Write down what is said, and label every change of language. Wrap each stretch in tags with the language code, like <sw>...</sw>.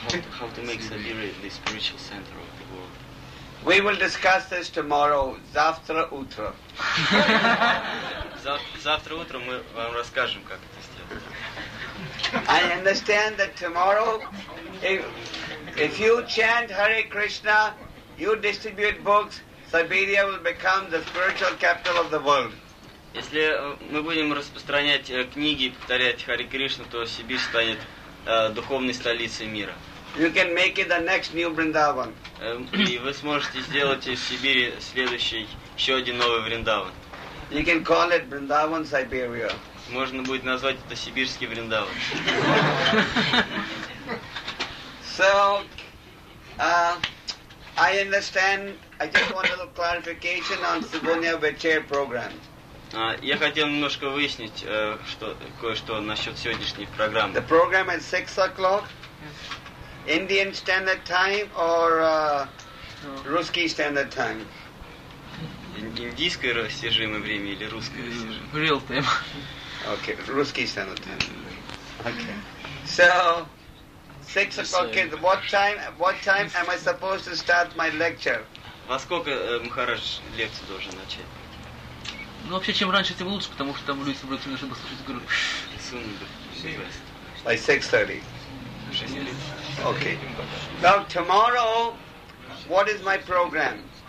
<en>How to make Siberia the spiritual center of the world? We will discuss this tomorrow.</en> <ru>Завтра утро. Завтра утро мы вам расскажем, как это сделать.</ru> <en>I understand that tomorrow, if you chant Hare Krishna, you distribute books, Siberia will become the spiritual capital of the world.</en> <ru>Если мы будем распространять книги и повторять Харе Кришну, то Сибирь станет духовной столицей мира.</ru> <en>You can make it the next new Vrindavan.</en> <ru>И вы сможете сделать из Сибири следующий, еще один новый Вриндаван.</ru> <en>You can call it Vrindavan Siberia.</en> <ru>Можно будет назвать это сибирский Вриндаван.</ru> <en>So, I understand. I just want a little clarification on Subhunya Vecher program.</en> <ru>Я хотел немножко выяснить кое-что насчет сегодняшней программы.</ru> <en>The program at 6 o'clock, Indian standard time or Russian standard time?</en> <ru>Индийское растяжимое время или русское растяжимое?</ru> <en>Real time. Okay, Russian standard time. Okay. So, 6 o'clock, what time am I supposed to start my lecture?</en> <ru>Во сколько Махарадж лекцию должен начать? Ну, вообще, чем раньше, тем лучше, потому что там люди собрались, чтобы слушать группу.</ru> <en>By 6:30. Okay. Now, tomorrow, what is my program?</en>